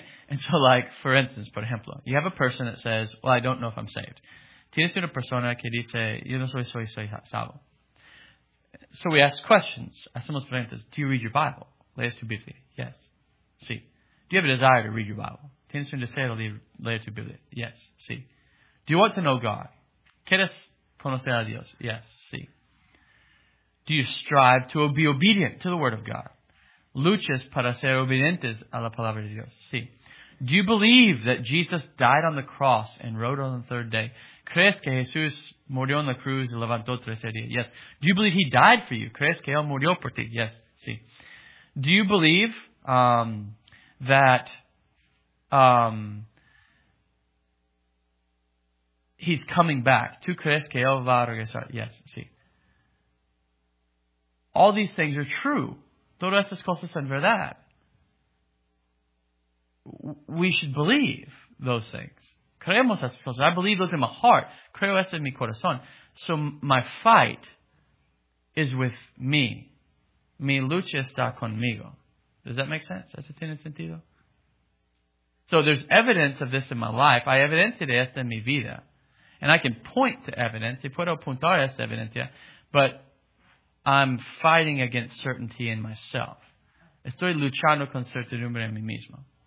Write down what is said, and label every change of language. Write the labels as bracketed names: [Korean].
[English] And so like, for instance, [Spanish] por ejemplo, [English] you have a person that says, well, I don't know if I'm saved. [Spanish] Tienes una persona que dice, yo no soy salvo. [English] So we ask questions. [Spanish] Hacemos preguntas. [English] Do you read your Bible? [Spanish] Lees tu Biblia. Yes. Sí. [English] Do you have a desire to read your Bible? [Spanish] ¿Tienes un deseo de leer tu Biblia? [English] Yes, sí. Do you want to know God? [Spanish] ¿Quieres conocer a Dios? [English] Yes, sí. Do you strive to be obedient to the Word of God? [Spanish] ¿Luchas para ser obedientes a la Palabra de Dios? Sí. [English] Do you believe that Jesus died on the cross and rose on the third day? [Spanish] ¿Crees que Jesús murió en la cruz y levantó tres días? [English] Yes. Do you believe He died for you? [Spanish] ¿Crees que Él murió por ti? [English] Yes, sí. Do you believe that he's coming back. [Spanish] ¿Tú crees que él va a regresar? [English] Yes, sí. All these things are true. [Spanish] Todas estas cosas son verdad. [English] We should believe those things. [Spanish] Creemos esas cosas. [English] I believe those in my heart. [Spanish] Creo eso en mi corazón. [English] So my fight is with me. [Spanish] Mi lucha está conmigo. [English] Does that make sense? [Spanish] ¿Eso tiene sentido? [English] So there's evidence of this in my life. I evidenced it in my vida. And I can point to evidence. [Spanish] Y puedo apuntar esa evidencia. [English] But I'm fighting against certainty in myself. [Spanish] Estoy luchando con certidumbre en mí mismo.